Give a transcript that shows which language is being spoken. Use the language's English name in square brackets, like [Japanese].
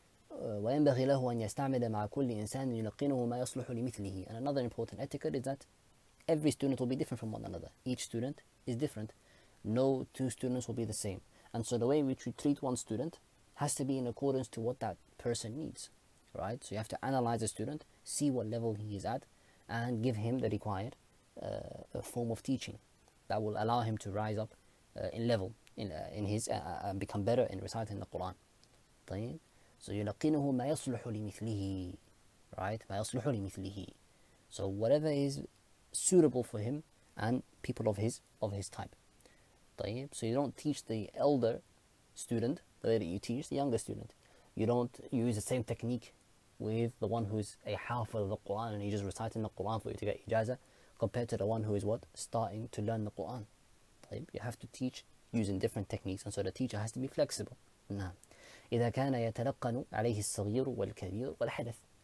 [Arabic] وينبغي له أن يستعمل مع كل إنسان يلقنه ما يصلح لمثله. [English] And another important etiquette is that every student will be different from one another. Each student is different. No two students will be the same. And so the way in which you treat one student has to be in accordance to what that person needs. Right? So you have to analyze a student, see what level he is at, and give him the required form of teaching that will allow him to rise up in level and become better in reciting the Quran. [Arabic] طيب. So يلقنه ما يصلح لمثله. Right? ما يصلح لمثله. [English] So whatever is suitable for him and people of his type. [Arabic] طيب. [English] So you don't teach the elder student the way that you teach the younger student. You don't use the same technique with the one who's a half of the Quran and he's just reciting the Quran for you to get ijazah, compared to the one who is what? Starting to learn the Quran. You have to teach using different techniques, and so the teacher has to be flexible. Nah. [Arabic] إذا كان يتلقن عليه الصغير والكبير والحدث.